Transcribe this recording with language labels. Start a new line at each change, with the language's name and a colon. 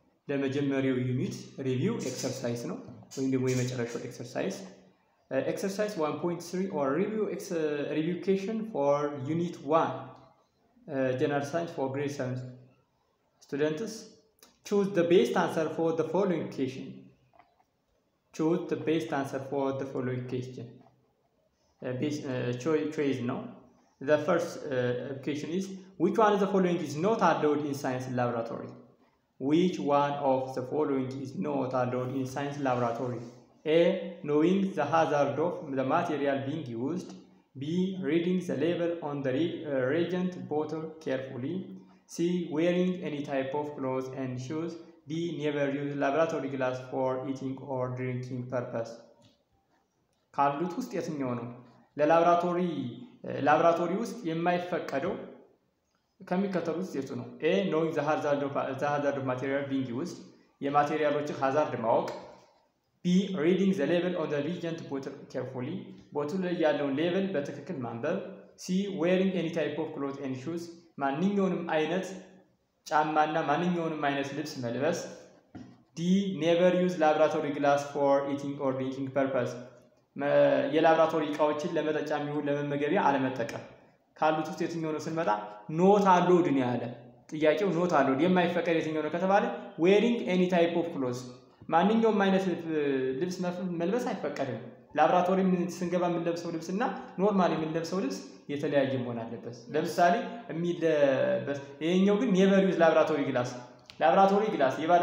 Amharic: ለመጀመሪያው unit review exercise ነው ወይም ደግሞ የመጨረሻው exercise.
English: Exercise 1.3 or review review question for unit 1. General science for grade 7 students. Choose the best answer for the following question. Choose the best answer for the following question. Choice no. The first question is, which one of the following is not allowed in science laboratory? Which one of the following is not allowed in science laboratory? A. Knowing the hazard of the material being used. B. Reading the label on the reagent bottle carefully. C. Wearing any type of clothes and shoes. D. Never use laboratory glass for eating or drinking purpose.
Amharic: ካሉት ውስጥ የትኛው ነው? ለላብራቶሪ ላብራቶሪ ውስጥ የማይፈቀደው ከሚከተሉት ውስጥ የቱ ነው? A.
English: Knowing the hazard of material being used.
Amharic: የማቴሪያሎች ሀዛርድ ማወቅ.
English: B. Reading the label on the reagent bottle carefully.
Amharic: ቦትሉ ላይ ያለውን ሌብል በትክክል ማንበብ.
English: C. Wearing any type of clothes and shoes.
Amharic: ማንኛውንም አይነት ጫማና ማንኛውንም አይነት ልብስ መልበስ.
English: D. Never use laboratory glass for eating or drinking purpose.
Amharic: የላብራቶሪ እቃዎችን ለመጠጫ የሚሆን ለመመገቢያ አለመጠቀም. ካሉት ውስጥ የትኛው ነው ስንመጣ ኖት አሎድ ነው ያለ ጥያቄው. ኖት አሎድ የማይፈቀድ የትኛው ነው ከተባለ
English: wearing any type of clothes
Amharic: ማንኛውም አይነት ልብስ መልበስ አይፈቀድም። ላብራቶሪ ስንገባ የምንለብሰው ልብስ እና ኖርማል የምንለብሰው ልብስ የተለያየ መሆን አለበት። ለምሳሌ የሚለበስ ይሄኛው ግን ኔቨር ዩዝ ላብራቶሪ ግላስ